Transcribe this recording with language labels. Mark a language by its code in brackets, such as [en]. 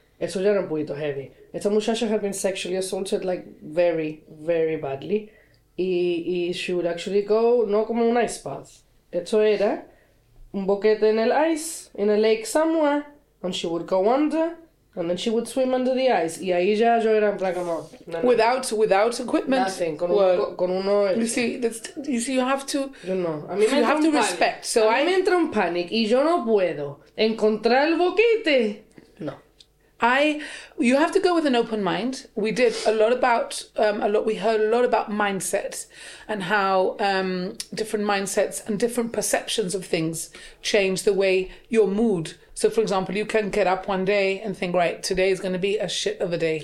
[es] Eso ya era un poquito heavy. Esta muchacha [en] had been sexually assaulted, like, very, very badly. Y she would actually go, [es] no como un [en] ice bath. [es] Esto era un boquete en el ice, [en] in a lake somewhere. And she would go under, and then she would swim under the ice. [es] Y ahí ya yo era en plan como... [en] Without equipment. [es] Nothing. Con uno... [en] You see, you have to... [es] Yo no. A mí [en] you [es] me [en] have to respect. So [es] a mí me entra un panic, y yo no puedo encontrar el boquete. No. [en] You have to go with an open mind. We did a lot about... we heard a lot about mindsets and how different mindsets and different perceptions of things change the way your mood... So, for example, you can get up one day and think, right, today is going to be a shit of a day.